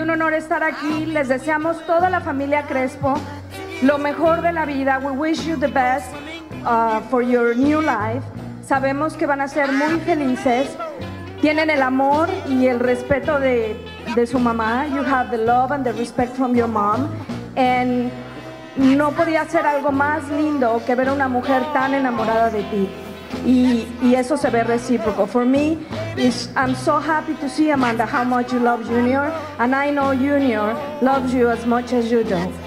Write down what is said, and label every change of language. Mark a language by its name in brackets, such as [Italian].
[Spanish] Estar aquí, les deseamos toda la familia Crespo lo mejor de la vida. [English] We wish you the best for your new life. [Spanish] Sabemos que van a ser muy felices. Tienen el amor y el respeto de su mamá. You have the love and the respect from your mom. And no podía ser algo más lindo que ver a una mujer tan enamorada de ti. [English] Y eso se ve recíproco. For me, I'm so happy to see Amanda how much you love Junior, and I know Junior loves you as much as you do.